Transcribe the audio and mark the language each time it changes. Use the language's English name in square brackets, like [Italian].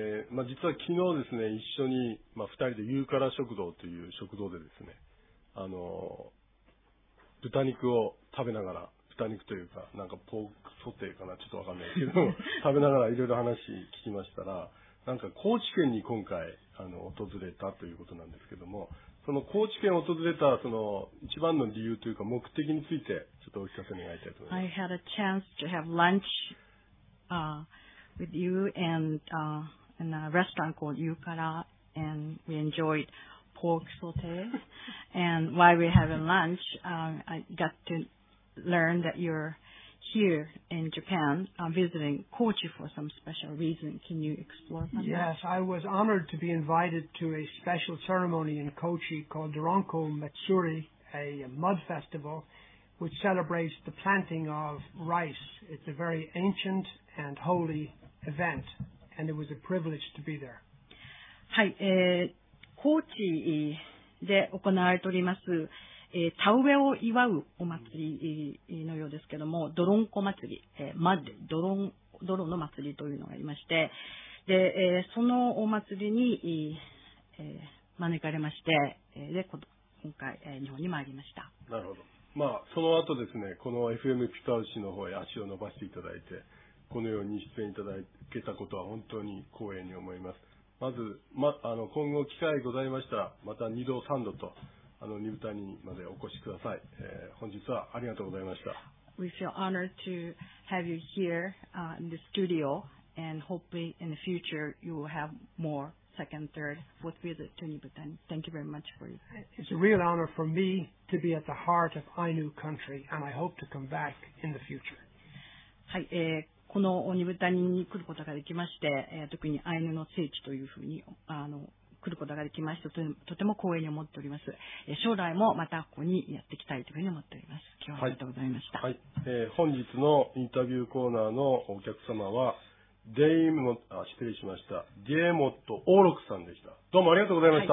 [Japanese] まあ、実は昨日ですね、一緒に、まあ、2人でユーカラ食堂という食堂でですね、豚肉を食べながら、豚肉というか、なんかポークソテーかな、ちょっとわかんないけど、食べながらいろいろ話聞きましたら、なんか高知県に今回訪れたということなんですけども、その高知県を訪れたその一番の理由というか目的についてちょっとお聞かせ願いたいと思います。 [English] I had a chance to have lunch with you and in a restaurant called Yukara, and we enjoyed. Pork saute, and while we're having lunch, I got to learn that you're here in Japan, visiting Kochi for some special reason. Can you explore that? Yes, I was honored to be invited to a special ceremony in Kochi called Doronko Matsuri, a mud festival, which celebrates the planting of rice. It's a very ancient and holy event, and it was a privilege to be there. [Japanese] Hi. 高知で行われております、田植えを祝うお祭りのようですけども、ドロンコ祭り、マッド、ドロンの祭りというのがありまして、で、そのお祭りに、招かれまして、で、今回、日本に参りました。なるほど。まあ、その後ですね、この FM ピタウシの方へ足を伸ばしていただいて、このように出演いただけたことは本当に光栄に思います。まず、今後機会ございましたら、また2度3度と、ニブタニまでお越しください。本日はありがとうございました。 [English] We feel honored to have you here, in the studio, and hopefully in the future you will have more second, third, fourth visit to Nibutani. Thank you very much for you. It's a real honor for me to be at the heart of Ainu country, and I hope to come back in the future. [Japanese] はい。このニブタニに来ることができまして、特にアイヌの聖地というふうに来ることができまして、とても光栄に思っております。将来もまたここにやってきたいというふうに思っております。今日はありがとうございました。はい。はい。本日のインタビューコーナーのお客様はディエモット・オーロックさんでした。どうもありがとうございました。